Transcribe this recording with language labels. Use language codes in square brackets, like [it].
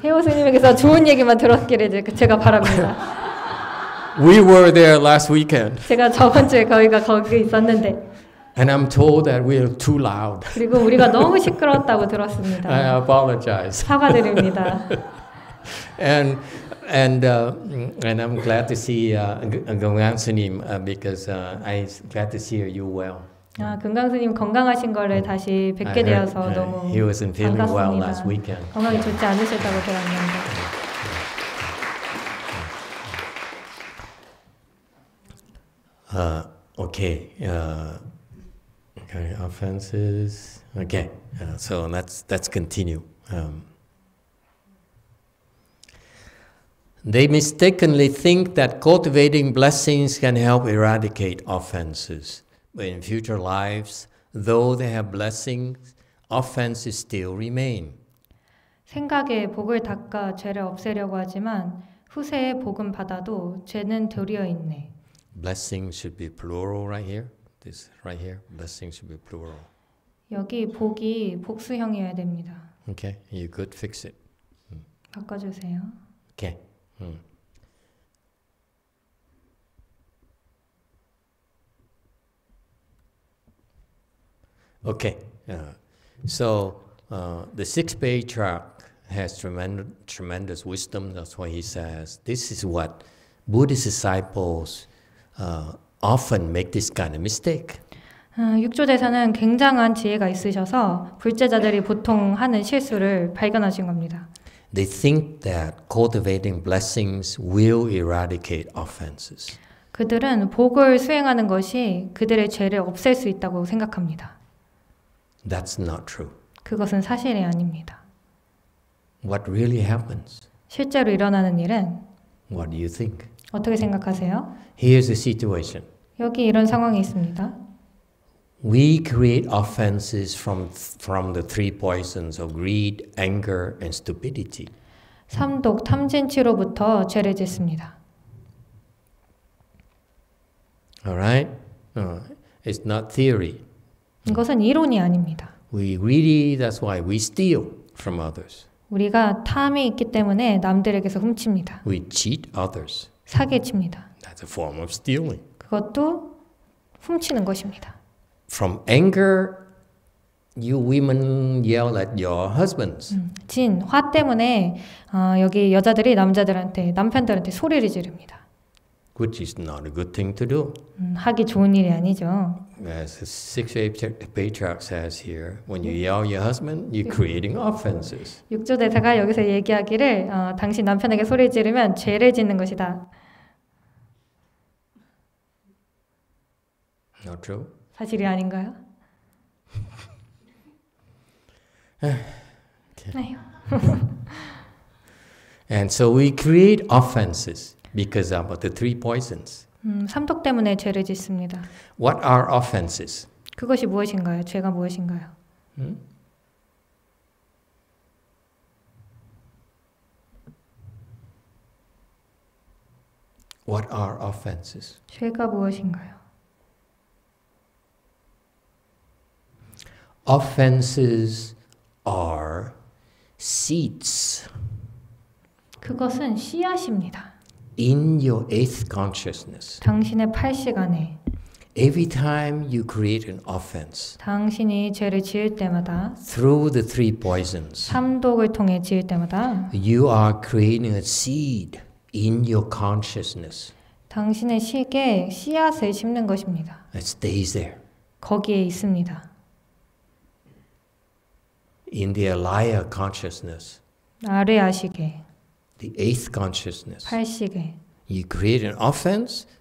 [ko] 해오 스님에게서 좋은 얘기만 들었기를 제가 바랍니다. [en] We were there last weekend. [ko] 제가 저번 주에 거기가 거기 있었는데. [en] And I'm told that we're too loud. [ko] 그리고 우리가 너무 시끄러웠다고 들었습니다. [en] I apologize. [ko] 사과드립니다. [en] And I'm glad to see 금강 스님 because I'm glad to see you well. [ko] 아, 금강 스님 건강하신 거를 다시 뵙게 [en] heard, [ko] 되어서 너무 [en] he wasn't feeling [ko] 반갑습니다. [en] Well last weekend. [ko] 건강이 좋지 않으셨다고 들었는데. [en] Okay. Offenses. Okay. So let's continue. They mistakenly think that cultivating blessings can help eradicate offenses. But in future lives, though they have blessings, offenses still remain. [ko] 생각에 복을 닦아 죄를 없애려고 하지만 후세에 복은 받아도 죄는 도리어 있네. [en] Blessing should be plural right here. This right here. Blessing should be plural. [ko] 여기 복이 복수형이어야 됩니다. [en] Okay, you could fix it. [ko] 바꿔주세요. [en] Okay. Okay, the six-page chart has tremendous wisdom. That's why he says this is what Buddhist disciples often make this kind of mistake. [ko] 육조대사는 굉장한 지혜가 있으셔서 불제자들이 보통 하는 실수를 발견하신 겁니다. [en] They think that cultivating blessings will eradicate offenses. [ko] 그들은 복을 수행하는 것이 그들의 죄를 없앨 수 있다고 생각합니다. [en] That's not true. [ko] 그것은 사실이 아닙니다. [en] What really happens? [ko] 실제로 일어나는 일은 [en] What do you think? [ko] 어떻게 생각하세요? [en] Here's the situation. [ko] 여기 이런 상황이 있습니다. [en] We create offenses from the three poisons of greed, anger, and stupidity. [ko] 삼독 탐진치로부터 죄를 짓습니다. [en] All right? It's not theory. [ko] 이것은 이론이 아닙니다. [en] We greedy, that's why we steal from others. [ko] 우리가 탐이 있기 때문에 남들에게서 훔칩니다. [en] We cheat others. [ko] 사기칩니다. [en] That's a form of stealing. [ko] 그것도 훔치는 것입니다. [en] From anger, you women yell at your husbands. [ko] 진, 화 때문에 여기 여자들이 남자들한테, 남편들한테 소리를 지릅니다. [en] Which is not a good thing to do. [ko] 하기 좋은 일이 아니죠. [en] As the 6th patriarch says here, when you yell at your husband, you're creating offenses. [ko] 육조대사가 여기서 얘기하기를 당신 남편에게 소리 지르면 죄를 짓는 것이다. [en] Not true. [ko] 사실이 아닌가요? 아휴. [en] And so we create offenses because of the three poisons. [ko] 삼독 때문에 죄를 짓습니다. [en] What are offenses? [ko] 그것이 무엇인가요? 죄가 무엇인가요? [en] What are offenses? [ko] 죄가 무엇인가요? [en] Offenses are seeds. [ko] 그것은 씨앗입니다. [en] In your eighth consciousness. [ko] 당신의 팔식 안에. [en] Every time you create an offense. [ko] 당신이 죄를 지을 때마다. [en] Through the three poisons. [ko] 삼독을 통해 지을 때마다. [en] You are creating a seed in your consciousness. [ko] 당신의 식에 씨앗을 심는 것입니다. [en] It stays there. [ko] 거기에 있습니다. [en] In the Alaya consciousness, [ko] 아뢰야 시계, [en] the eighth consciousness, [ko] 팔시계, [en] you create an offense,